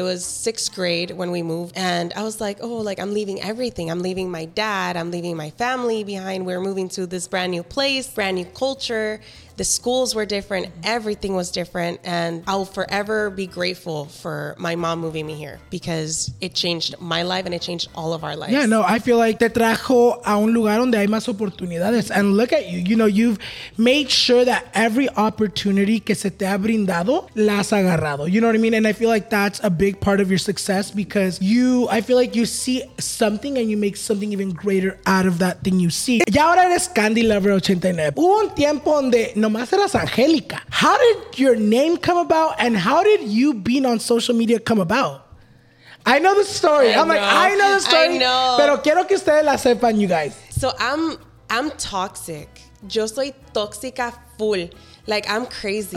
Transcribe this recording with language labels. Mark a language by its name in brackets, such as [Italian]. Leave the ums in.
[English] It was sixth grade when we moved, and I was like, oh, like I'm leaving everything. I'm leaving my dad. I'm leaving my family behind. We're moving to this brand new place, brand new culture. The schools were different. Everything was different, and I'll forever be grateful for my mom moving me here because it changed my life and it changed all of our lives. Yeah, no, I feel like [Spanish] te trajo a un lugar donde hay más oportunidades. [English] And look at you, you know, you've made sure that every opportunity [Spanish] que se te ha brindado, la has agarrado. [English] You know what I mean? And I feel like that's a big part of your success because you, I feel like you see something and you make something even greater out of that thing you see. [Spanish] Y ahora eres Candy Lover 89. Hubo un tiempo donde nomás eras Angélica. [English] How did your name come about and how did you being on social media come about? I know the story. I I'm like, know. I know the story. I know. [Spanish] Pero quiero que ustedes la sepan, [English] you guys. So I'm I'm toxic. [Spanish] Yo soy tóxica full. [English] Like I'm crazy.